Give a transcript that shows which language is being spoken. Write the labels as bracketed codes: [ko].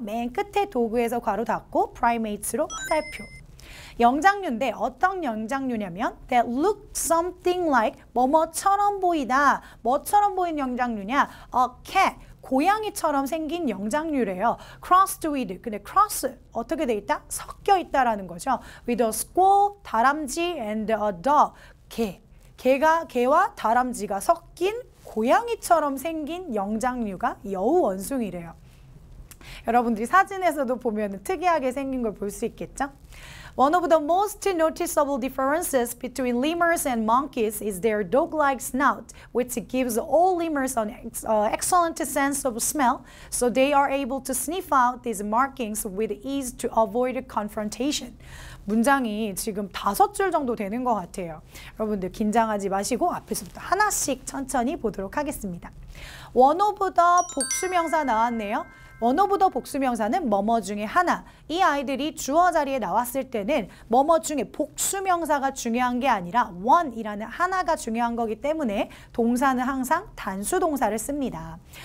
[ko] 맨 끝에 도구에서 괄호 닫고 primates로 화살표. 영장류인데 어떤 영장류냐면 [en] that look something like [ko] 뭐뭐처럼 보이다. 뭐처럼 보이는 영장류냐? [en] a cat. [ko] 고양이처럼 생긴 영장류래요. [en] crossed with, [ko] 근데 cross, 어떻게 돼 있다? 섞여 있다라는 거죠. [en] with a squirrel, [ko] 다람쥐, [en] and a dog, [ko] 개. 개가, 개와 다람쥐가 섞인 고양이처럼 생긴 영장류가 여우 원숭이래요. 여러분들이 사진에서도 보면 특이하게 생긴 걸 볼 수 있겠죠? [en] One of the most noticeable differences between lemurs and monkeys is their dog-like snout, which gives all lemurs an excellent sense of smell, so they are able to sniff out these markings with ease to avoid confrontation. [ko] 문장이 지금 다섯 줄 정도 되는 것 같아요. 여러분들 긴장하지 마시고 앞에서부터 하나씩 천천히 보도록 하겠습니다. [en] One of the [ko] 복수명사 나왔네요. One of the 복수명사는 뭐뭐 중에 하나. 이 아이들이 주어 자리에 나왔을 때는 뭐뭐 중에 복수명사가 중요한 게 아니라 one이라는 하나가 중요한 거기 때문에 동사는 항상 단수 동사를 씁니다.